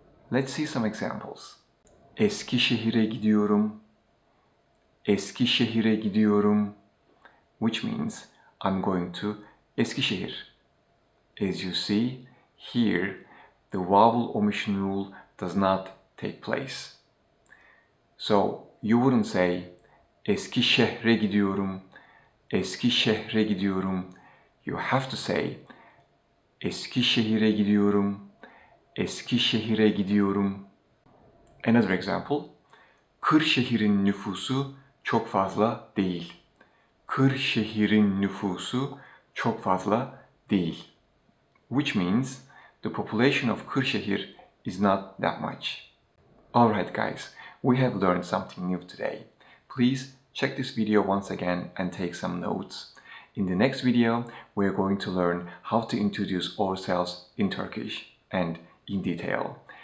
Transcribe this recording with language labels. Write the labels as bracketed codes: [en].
[en] Let's see some examples. [tr] Eskişehir'e gidiyorum, Eskişehir'e gidiyorum, [en] which means I'm going to Eskişehir. As you see, here the vowel omission rule does not take place. So you wouldn't say [tr] Eskişehir'e gidiyorum, Eskişehir'e gidiyorum. [en] You have to say [tr] Eskişehir'e gidiyorum, Eskişehir'e gidiyorum. Another example, Kırşehir'in nüfusu çok fazla değil. Kırşehir'in nüfusu çok fazla değil. [en] Which means the population of Kırşehir is not that much. Alright guys, we have learned something new today. Please check this video once again and take some notes. In the next video, we are going to learn how to introduce ourselves in Turkish and in detail.